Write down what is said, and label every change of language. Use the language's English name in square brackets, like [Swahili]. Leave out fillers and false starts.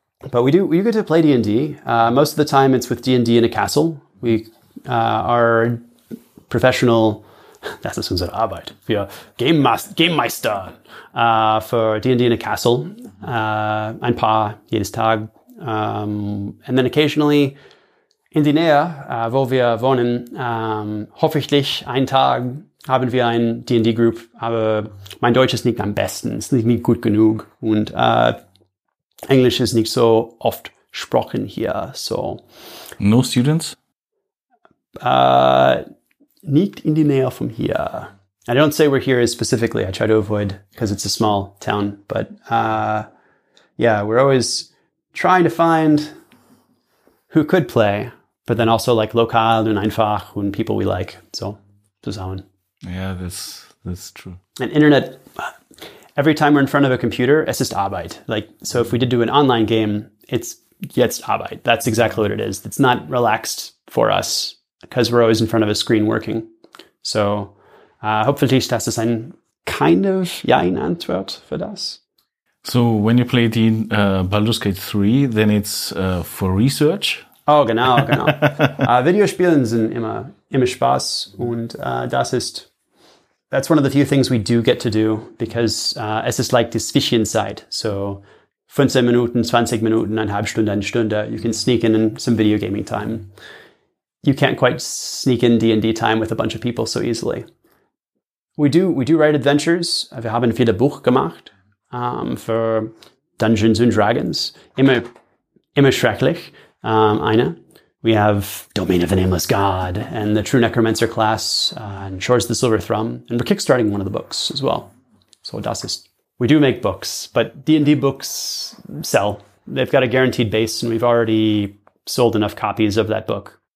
[English] But we get to play D&D. Most of the time, it's with D&D in a castle. We are professional... That's the sense of Arbeit. We are Game Meister for D&D in a castle. [German] Ein paar jedes Tag. [English] And then occasionally [German] in die Nähe, wo wir wohnen, hoffentlich einen Tag haben wir ein D&D-Group. Aber mein Deutsch ist nicht am besten, ist nicht gut genug. Und Englisch ist nicht so oft gesprochen hier. [English] So. No students? [German] Nicht in die Nähe von hier. [English] I don't say we're here specifically. I try to avoid because it's a small town. But yeah, we're always trying to find who could play, but then also like [German] lokal und einfach und [English] people we like. [German] So, zusammen. [English] Yeah, that's true. And internet, every time we're in front of a computer, [German] es ist Arbeit. [English] Like, so if we did do an online game, it's [German] jetzt Arbeit. [English] That's exactly what it is. It's not relaxed for us. Because we're always in front of a screen working. So, hopefully, [German] das ist ein [English] kind of [German] ein Antwort für das. [English] So, when you play the Baldur's Gate 3, then it's for research? [German] Oh, genau. Videospielen sind immer Spaß. Und das ist, [English] that's one of the few things we do get to do, because [German] es ist [English] like [German] die Zwischenzeit. [English] So, [German] 15 Minuten, 20 Minuten, eineinhalb Stunde, eine Stunde, [English] you can sneak in some video gaming time. You can't quite sneak in D&D time with a bunch of people so easily. We do write adventures. [German] Wir haben viele Buch gemacht für Dungeons and Dragons. Immer schrecklich. Eine. [English] We have Domain of the Nameless God and the True Necromancer class and Shores of the Silver Thrum. And we're kickstarting one of the books as well. [German] So das ist. [English] We do make books, but D&D books sell. They've got a guaranteed base, and we've already sold enough copies of that book.